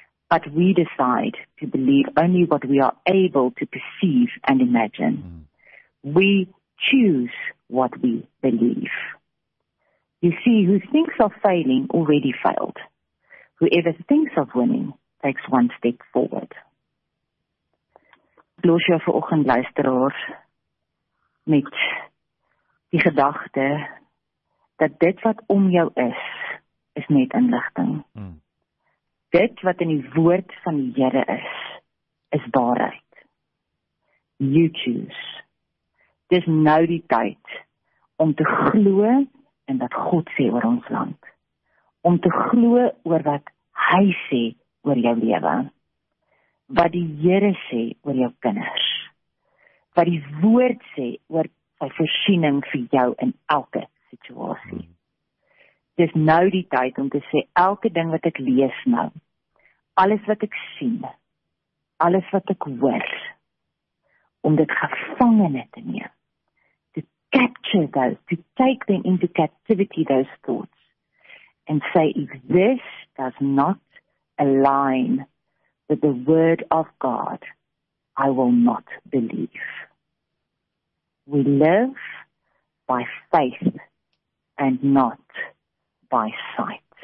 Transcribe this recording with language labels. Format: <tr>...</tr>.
<en>But we decide to believe only what we are able to perceive and imagine. We choose what we believe. You see, who thinks of failing already failed. Whoever thinks of winning takes one step forward.</en> <af>Ek los jou vanoggend, luisteraars, met die gedagte dat dit wat om jou is, is net inligting. Dit wat in die woord van die Here is, is waarheid.</af> <en>You choose.</en> <af>Dis nou die tyd om te glo en wat God sê oor ons land. Om te glo oor wat hy sê oor jou lewe. Wat die Here sê oor jou kinders. Wat die woord sê oor sy voorsiening vir jou in elke situasie. Dis nou die tyd om te sê, elke ding wat ek lees nou, alles wat ek sien, alles wat ek hoor, om dit gevangene te neem.</af> <en>Capture those, to take them into captivity, those thoughts, and say, if this does not align with the word of God, I will not believe. We live by faith and not by sight.</en>